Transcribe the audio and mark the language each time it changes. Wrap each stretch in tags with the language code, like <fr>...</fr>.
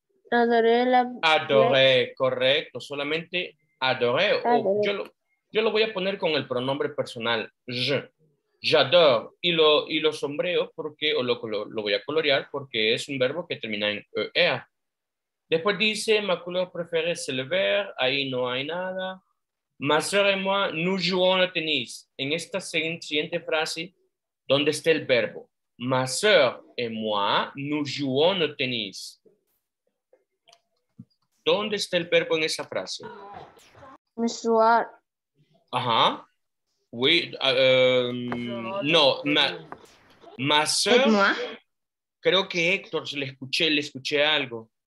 <es>Adoré, correcto. Solamente adoré. Yo lo voy a poner con el pronombre personal.</es> <fr>J'adore.</fr> <es>Y lo sombreo porque, o lo voy a colorear porque es un verbo que termina en er. Después dice,</es> <fr>ma couleur préférée, c'est le vert.</fr> <es>Ahí no hay nada.</es> <fr>Ma soeur et moi, nous jouons au tennis.</fr> <es>En esta siguiente frase, ¿dónde está el verbo?</es> <fr>Ma soeur et moi, nous jouons au tennis.</fr> <es>¿Dónde está el verbo en esa frase? Me jouar.</es> <fr>Ajá. Oui. No. Ma soeur.</fr> <es>Creo que Héctor, le escuché algo.</es>